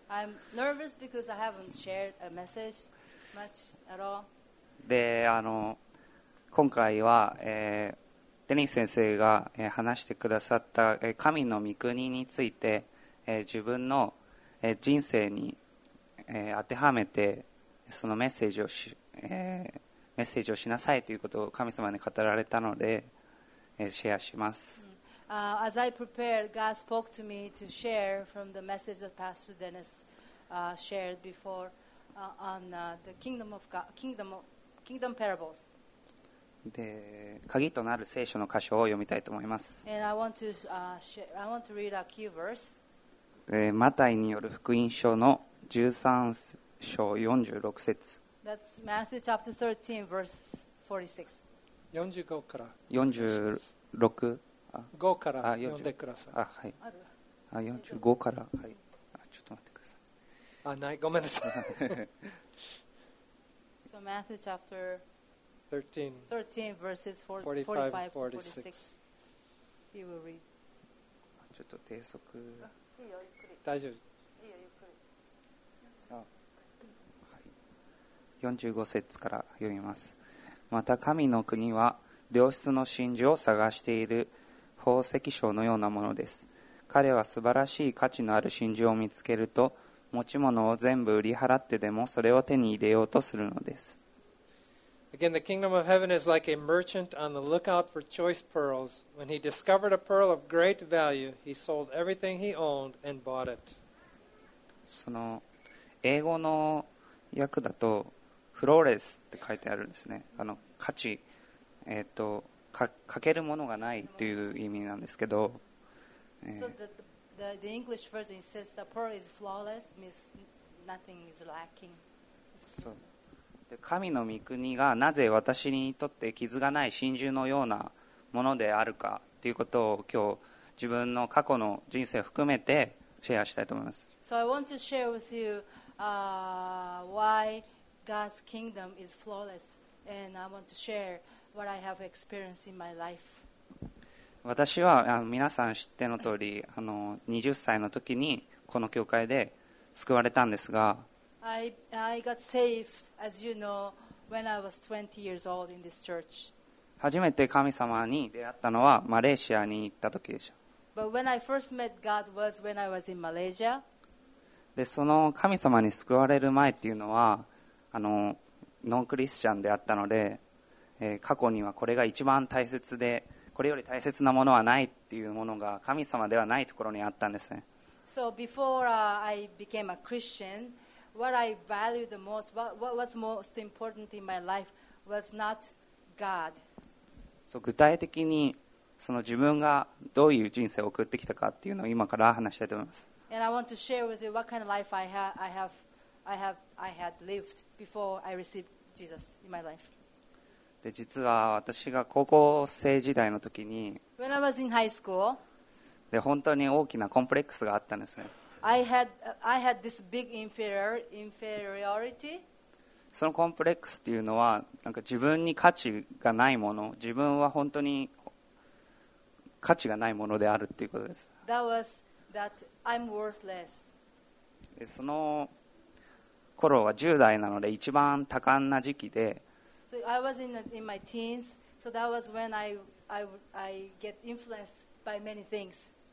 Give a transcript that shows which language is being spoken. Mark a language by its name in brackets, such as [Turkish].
[English] I'm nervous because I haven't shared a message much at all. [Japanese] で今回は、デニス先生が話してくださった神の御国について自分の人生に当てはめてそのメッセージをメッセージをしなさいということを神様に語られたのでシェアします。 [English] As I prepared, God spoke to me to share from the message that Pastor Dennis shared before on the kingdom of God, kingdom parables. [Japanese] で、鍵となる聖書の箇所を読みたいと思います。 [English] And I want to read a key verse. [Japanese] マタイによる福音書の13章46節。 [English] That's Matthew chapter 13, verse 46. [Japanese] 45から。 46。 5から読んでください。あ、はい。45から。はい。ちょっと待ってください。あ、ない、ごめんなさい。 [English] So Matthew chapter 13, verses 45 to 46. He will read. [Japanese] ちょっと低速。大丈夫。 45節から読みます。また神の国は良質の真珠を探している宝石商のようなものです。彼は素晴らしい価値のある真珠を見つけると、持ち物を全部売り払ってでもそれを手に入れようとするのです。 [English] Again, the kingdom of heaven is like a merchant on the lookout for choice pearls. When he discovered a pearl of great value, he sold everything he owned and bought it. [Japanese] その英語の訳だとフローレスって書いてあるんですね。価値、欠けるものがないという意味なんですけど、 [English] the English version says the pearl is flawless, means nothing is lacking. [Japanese] そう。で、神の御国がなぜ私にとって傷がない真珠のようなものであるかということを今日自分の過去の人生を含めてシェアしたいと思います。 [English] So I want to share with you, why God's kingdom is flawless, and I want to share what I have experienced in my life. [Japanese] 私は皆さん知っての通り、20歳の時にこの教会で救われたんですが、 [English] I got saved, as you know, when I was 20 years old in this church. [Japanese] 初めて神様に出会ったのはマレーシアに行った時でした。 [English] But when I first met God was when I was in Malaysia. [Japanese] で、その神様に救われる前っていうのはノンクリスチャンであったので、過去にはこれが一番大切で、これより大切なものはないっていうものが神様ではないところにあったんですね。 [English] So before, I became a Christian, what I valued the most, what was most important in my life was not God. [Japanese] そう、具体的にその自分がどういう人生を送ってきたかっていうのを今から話したいと思います。 [English] And I want to share with you what kind of life I had lived before I received Jesus in my life. [Japanese] で、実は私が高校生時代の時に、 [English] When I was in high school, [Japanese] で、本当に大きなコンプレックスがあったんですね。 [English] I had this big inferiority. [Japanese] そのコンプレックスっていうのは、なんか自分に価値がないもの、自分は本当に価値がないものであるっていうことです。 [English] That was that I'm worthless. [Japanese] その頃は10代なので一番多感な時期で、 [English] So I was in my teens, so that was when I get influenced by many things.